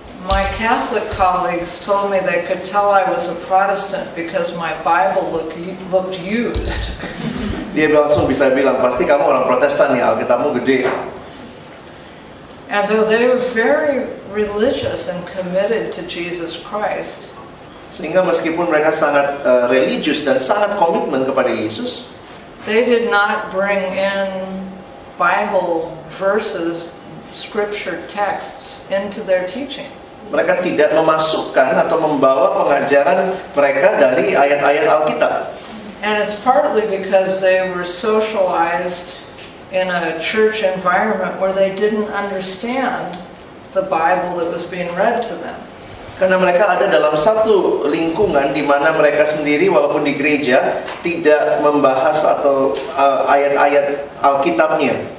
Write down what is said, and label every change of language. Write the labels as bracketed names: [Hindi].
[English] My Catholic colleagues told me they could tell I was a Protestant because my Bible looked used. [Indonesian] Dia langsung bisa bilang, pasti kamu orang Protestan ya, Alkitabmu gede. [English] And though they were very religious and committed to Jesus Christ, [Indonesian] sehingga meskipun mereka sangat religius dan sangat komitmen kepada Yesus, [English] they did not bring in Bible verses, scripture texts into their teaching. [Indonesian] Mereka tidak memasukkan atau membawa pengajaran mereka dari ayat-ayat Alkitab. [English] And it's partly because they were socialized in a church environment where they didn't understand the Bible that was being read to them. [Indonesian] Karena mereka ada dalam satu lingkungan di mana mereka sendiri walaupun di gereja tidak membahas atau ayat-ayat Alkitabnya.